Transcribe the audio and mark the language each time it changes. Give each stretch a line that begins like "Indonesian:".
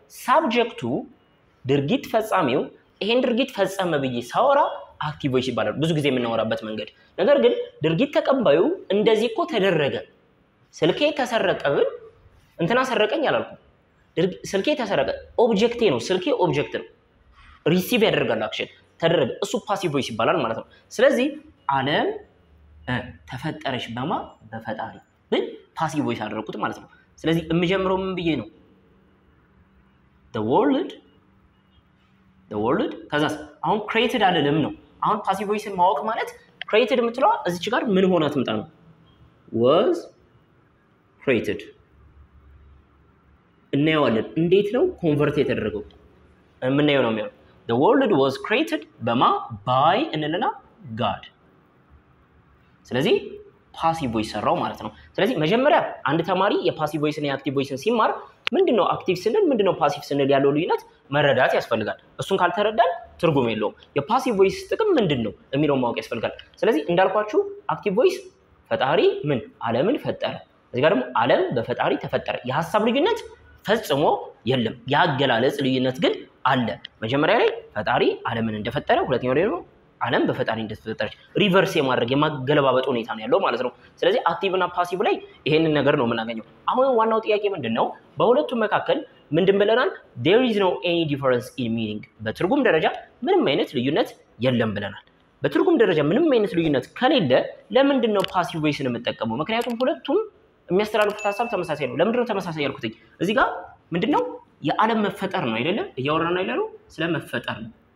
Amharic: ሳብጀክቱ ድርጊት ፈጻሚው ይሄን ድርጊት ፈጸመ ብዬ ሳወራ አክቲቭ ቮይስ ይባላል ብዙ ጊዜ የምናወራበት መንገድ። ነገር ግን ድርጊት ተቀባዩ እንደዚህ እኮ ተደረገ፣ ስልኬ ተሰረቀ ብል እንትና ሰረቀኝ አላልኩ። ስልኬ ተሰረቀ ኦብጀክቴ ነው። ስልኬ ኦብጀክት ነው፣ ሪሲቭ ያደርጋል አክሽን ተደረገ፣ እሱ ፓሲቭ ቮይስ ይባላል ማለት ነው። ስለዚህ ዓለም ተፈጠረች በማ በፈጣሪ ብል ፓሲቭ ቮይስ አደረኩት ማለት ነው። ስለዚህ የምጀምረው ምን ብዬ ነው?
English: the world
Amharic: ከዛስ? አሁን created አለለም ነው። አሁን passive voice ማወቅ ማለት created የምትለዋ እዚች ጋር ምን ሆነ ትምጣ ነው?
English: was created.
Amharic: እናየዋለን እንዴት ነው ኮንቨርት የተደረገው? እምናየው ነው የሚሆነው.
English: The world was created
Amharic: በማ
English: by
Amharic: እንልና
English: God.
Amharic: ስለዚህ passive voice ሰራው ማለት ነው. ስለዚህ መጀመሪያ አንድ ተማሪ የpassive voice እና የactive voice ሲማር ምንድነው active ስንል ምንድነው passive ስንል ያለው ልዩነት መረዳት ያስፈልጋል. እሱን ካልተረዳን ትርጉም የለውም. የpassive voice ጥቅም ምንድነው የሚለው ማወቅ ያስፈልጋል. ስለዚህ እንዳልኳችሁ active voice ፈጣሪ ምን ዓለምን ፈጠረ? እዚህ ጋር ደግሞ ዓለም በፈጣሪ ተፈጠረ. የሐሳብ ልዩነት ፈጽሞ የለም. ያገላለጽ ልዩነት ግን አለ. መጀመሪያ ላይ ፈጣሪ ዓለምን እንደፈጠረ, ሁለተኛው ላይ ደግሞ ዓለም በፈጣሪ እንደተፈጠረች ሪቨርስ የማድረግ የማገለባበጥ ሁኔታ ነው ያለው ማለት ነው. ስለዚህ አክቲቭ እና ፓሲቭ ላይ ይሄን ነገር ነው የምናገኘው. አሁን ዋናው ጥያቄ ምንድነው? በሁለቱ መካከል ምንድን ብለናል?
English: There is no any difference in meaning.
Amharic: በትርጉም ደረጃ ምንም አይነት ልዩነት የለም ብለናል. በትርጉም ደረጃ ምንም አይነት ልዩነት ከሌለ ለምንድነው ፓሲቭ ቮይስ ነው የምትጠቀመው? ምክንያቱም ሁለቱም የሚያስተላልፉት ሐሳብ ተመሳሳይ ነው. ለምንድነው ተመሳሳይ ያልኩት? እዚህ ጋር ምንድነው የዓለም መፈጠር ነው አይደለ? እያወራን ያለነው ስለመፈጠር ነው.